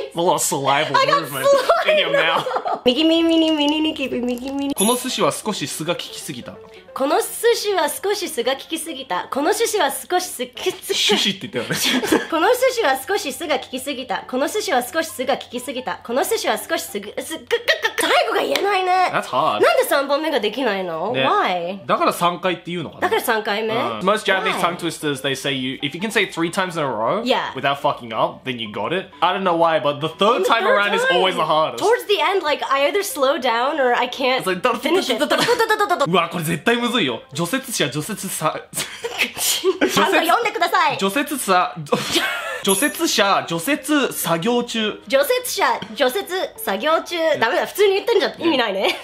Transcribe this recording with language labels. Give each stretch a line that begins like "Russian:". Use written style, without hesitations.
English: A lot of saliva movement in your mouth.
Japanese: 右耳にミニニキビ。右耳。この寿司は少し酢が効きすぎた。この寿司は少し酢が効きすぎた。この寿司は少し酢きつく。寿司って言ったよね。この寿司は少し酢が効きすぎた。この寿司は少し酢が効きすぎた。この寿司は少し酢が効きすぎた。最後が言えないね。
English: That's hard.
Japanese: なんで3本目ができないの？
English: Why?
Japanese: だから3回って言うのかな？だから3回目。
English: Most Japanese tongue twisters, they say you, if you can say it 3 times in a row, yeah. Without fucking up, then you got it. I don't know why, but the third time around is always the hardest. Towards the end, like, I either slow down or I can't finish it.
Japanese: うわ、これ絶対むずいよ。除雪車、除雪車。単語読んでください。除雪車。除雪車、除雪作業中。除雪車、除雪作業中。ダメだ、普通に言ってんじゃん。意味ないね。